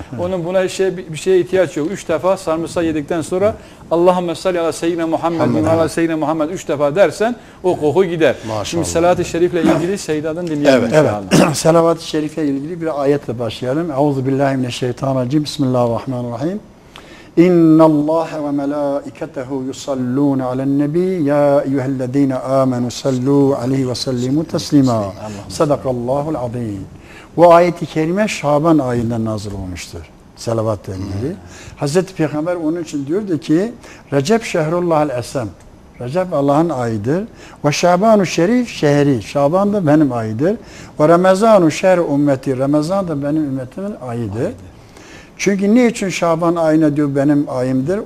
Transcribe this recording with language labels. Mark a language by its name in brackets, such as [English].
[Turkish] Onun buna şey, bir şeye ihtiyaç yok. Üç defa sarımsak yedikten sonra Allahümme salli ala seyyidine Muhammed ve ala seyyidine Muhammed üç defa dersen o koku gider. Maşallah. Şimdi Salat-ı Şerif'le ilgili Seyyidat'ın dinleyelim. Evet. Evet. Salavat-ı Şerif'le ilgili bir ayetle başlayalım. Euzubillahimineşşeytanirracim. Bismillahirrahmanirrahim. [Arabic] اِنَّ اللّٰهَ وَمَلَائِكَتَهُ يُصَلُّونَ عَلَى النَّبِيِّ يَا اَيُّهَا الَّذ۪ينَ آمَنُوا صَلُّوا عَلَيْهِ وَسَلِّمُوا تَسْلِيمًا صَدَقَ اللّٰهُ الْعَظ۪يمُ [Turkish] Bu ayet-i kerime Şaban ayında nazil olmuştur. Salavat-ı emri. Hazreti Peygamber onun için diyordu ki Recep [Arabic] şehrullahal esem. [Turkish] Recep Allah'ın ayıdır. Ve Şaban-ı Şerif şehri. Şaban da benim ayıdır. Ve Ramazan-ı Şehri ümmeti. Ramazan da benim ümmetimin ayıdır. Çünkü niçin Şaban ayına diyor benim ayımdır?